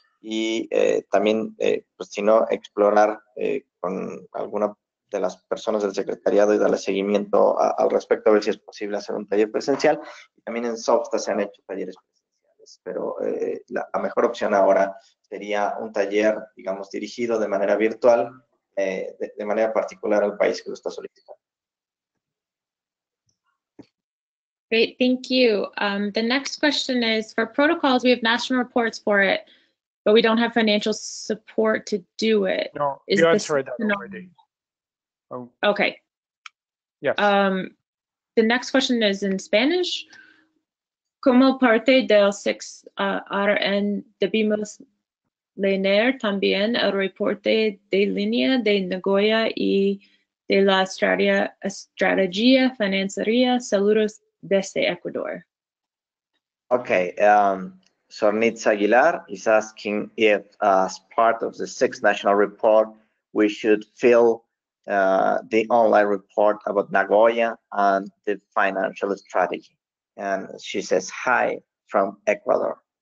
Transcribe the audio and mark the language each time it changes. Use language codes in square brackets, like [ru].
[es] Y también, pues si no, explorar con alguna de las personas del secretariado y darle seguimiento al respecto, a ver si es posible hacer un taller presencial. Y también en SOFTA se han hecho talleres presenciales, pero la mejor opción ahora sería un taller, digamos, dirigido de manera virtual, de manera particular al país que lo está solicitando. [en] Great, thank you. The next question is, for protocols, we have national reports for it, but we don't have financial support to do it. No, is you answered that already. Okay. Yes. The next question is in Spanish. [es] Como parte del 6RN debimos leer también el reporte de línea de Nagoya y de la estrategia financiera saludos desde Ecuador. [en] Okay, Sornitz Aguilar is asking if as part of the sixth national report we should fill the online report about Nagoya and the financial strategy. And she says, hi from Ecuador.